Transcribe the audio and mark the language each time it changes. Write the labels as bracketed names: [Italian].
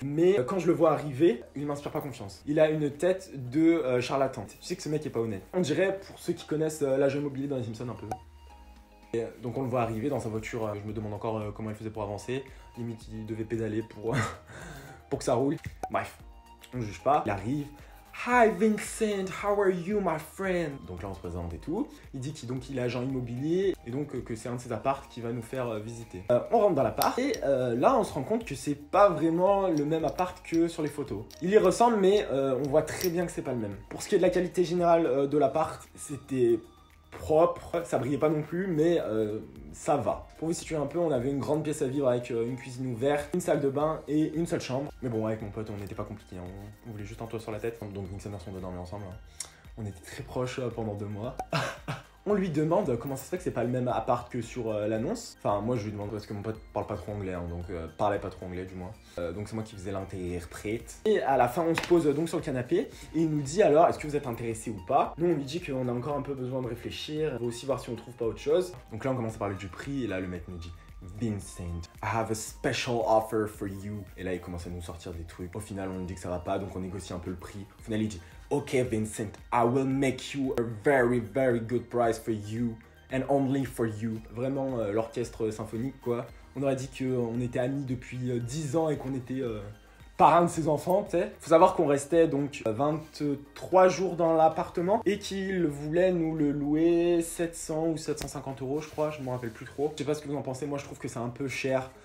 [French] Mais quand je le vois arriver, il ne m'inspire pas confiance. Il a une tête de charlatan. Tu sais que ce mec est pas honnête. On dirait, pour ceux qui connaissent l'agent immobilier dans les Simpsons un peu. Et donc on le voit arriver dans sa voiture, je me demande encore comment il faisait pour avancer. Limite il devait pédaler pour, pour que ça roule. Bref, on ne juge pas, il arrive. [English] Hi Vincent, how are you my friend? [French] Donc là on se présente et tout. Il dit qu'il est agent immobilier et donc que c'est un de ses apparts qu'il va nous faire visiter. On rentre dans l'appart et là on se rend compte que c'est pas vraiment le même appart que sur les photos. Il y ressemble mais on voit très bien que c'est pas le même. Pour ce qui est de la qualité générale de l'appart, c'était propre, ça brillait pas non plus, mais ça va. Pour vous situer un peu, on avait une grande pièce à vivre avec une cuisine ouverte, une salle de bain et une seule chambre. Mais bon, avec mon pote, on n'était pas compliqué, hein. On voulait juste un toit sur la tête. Donc Nick Sanderson, on dormait ensemble. Hein. On était très proches pendant 2 mois. On lui demande comment ça se fait que c'est pas le même appart que sur l'annonce. Enfin, moi je lui demande parce que mon pote parle pas trop anglais, hein, donc parlait pas trop anglais du moins. Donc c'est moi qui faisais l'interprète. Et à la fin, on se pose donc sur le canapé et il nous dit alors est-ce que vous êtes intéressé ou pas. Nous on lui dit qu'on a encore un peu besoin de réfléchir, on veut aussi voir si on trouve pas autre chose. Donc là on commence à parler du prix et là le mec nous dit Vincent, [English] I have a special offer for you. [French] Et là il commence à nous sortir des trucs. Au final, on lui dit que ça va pas, donc on négocie un peu le prix. Au final, il dit OK Vincent, [English] I will make you a very very good price for you [French] and only for you. Vraiment l'orchestre symphonique quoi. On aurait dit qu'on était amis depuis 10 ans et qu'on était parrain de ses enfants, tu sais. Faut savoir qu'on restait donc 23 jours dans l'appartement et qu'il voulait nous le louer 700 ou 750 euros je crois, je m'en rappelle plus trop. Je sais pas ce que vous en pensez, moi je trouve que c'est un peu cher.